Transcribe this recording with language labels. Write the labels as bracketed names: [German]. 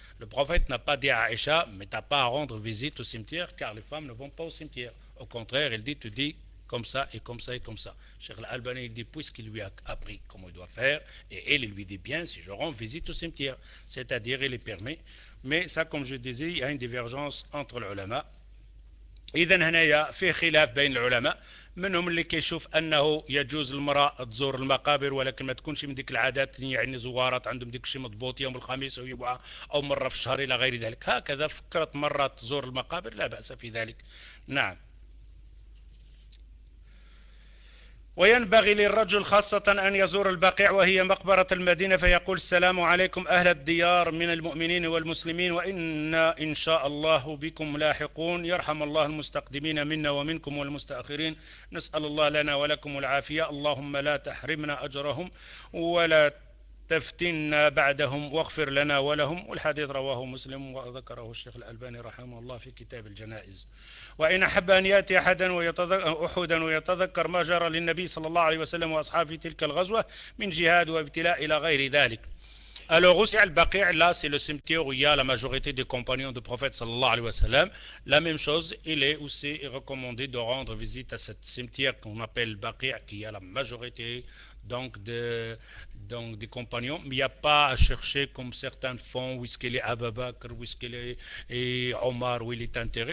[French] Le prophète n'a pas dit à Aïcha, mais tu n'as pas à rendre visite au cimetière, car les femmes ne vont pas au cimetière. Au contraire, il dit, tu dis comme ça et comme ça et comme ça. Cheikh Al-Albani, il dit, puisqu'il lui a appris comment il doit faire, et elle, il lui dit bien, si je rends visite au cimetière. C'est-à-dire, il les permet. Mais ça, comme je disais, il y a une divergence entre l'ulama. [Arabic] إذن هنا في خلاف بين العلماء، منهم اللي كيشوف أنه يجوز المرأة تزور المقابر ولكن ما تكونش من ديك العادات، يعني زوارات عندهم ديك شي مضبوط يوم الخميس أو مرة في الشهر إلى غير ذلك. هكذا فكرت مرة تزور المقابر لا بأس في ذلك. نعم. وينبغي للرجل خاصة أن يزور البقيع وهي مقبرة المدينة فيقول السلام عليكم أهل الديار من المؤمنين والمسلمين وإنا إن شاء الله بكم لاحقون يرحم الله المستقدمين منا ومنكم والمستأخرين نسأل الله لنا ولكم العافية اللهم لا تحرمنا أجرهم ولا تفتنا بعدهم واغفر لنا ولهم والحديث رواه مسلم وذكره الشيخ الألباني رحمه الله في كتاب الجنائز وإن أحب أن يأتي أحدا ويتذكر ما جرى للنبي صلى الله عليه وسلم وأصحابه تلك الغزوة من جهاد وابتلاء إلى غير ذلك. [French] Alors, aussi, Al-Baqi', là, c'est le cimetière où il y a la majorité des compagnons du prophète, sallallahu alayhi wa sallam. La même chose, il est aussi recommandé de rendre visite à ce cimetière qu'on appelle Baqi', qui a la majorité donc des compagnons. Mais il n'y a pas à chercher, comme certains font, où est-ce qu'il est Abu Bakr, où est-ce qu'il est Omar, où il est enterré.